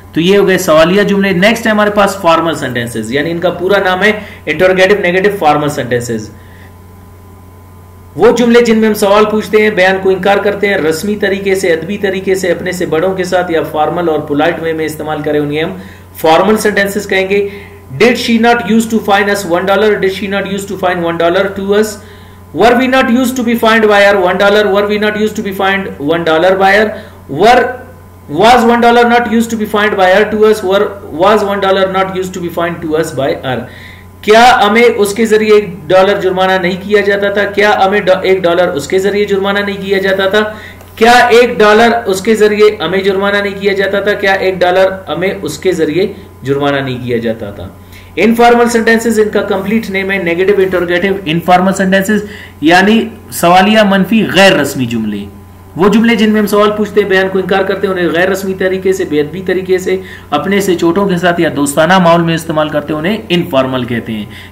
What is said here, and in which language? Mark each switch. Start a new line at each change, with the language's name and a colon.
Hindi: तो ये हो गए सवालिया जुमले। नेक्स्ट है हमारे पास फॉर्मल सेंटेंसेस, यानी इनका पूरा नाम है इंटरोगेटिव नेगेटिव फॉर्मल सेंटेंसेस, वो जुमले जिनमें हम सवाल पूछते हैं, बयान को इंकार करते हैं, रस्मी तरीके से, अदबी तरीके से, अपने से बड़ों के साथ या फॉर्मल और पोलाइट वे में इस्तेमाल करें, उन्हें हम फॉर्मल सेंटेंसेस कहेंगे।
English: Did she not used to fine us $1? Did she not used to fine $1 to us? Were we not used to be fined by her $1? Were we not used to be fined $1 by her? Was $1 not used to be fined by her to us? Was $1 not used to be fined to us by her?
Hindi: क्या हमें उसके जरिए $1 जुर्माना नहीं किया जाता था? क्या हमें $1 उसके जरिए जुर्माना नहीं किया जाता था? क्या $1 उसके जरिए हमें जुर्माना नहीं किया जाता था? क्या $1 हमें उसके जरिए जुर्माना नहीं किया जाता था? इनफॉर्मल सेंटेंसेस इनका कंप्लीट नेम है नेगेटिव इंटरोगेटिव इनफॉर्मल सेंटेंसेस, यानी सवालिया मनफी गैर रस्मी जुमले, वो जुमले जिनमें हम सवाल पूछते हैं, बयान को इंकार करते हैं, उन्हें गैर रस्मी तरीके से, बेअदबी तरीके से, अपने से चोटों के साथ या दोस्ताना माहौल में इस्तेमाल करते हैं, उन्हें इनफॉर्मल कहते हैं।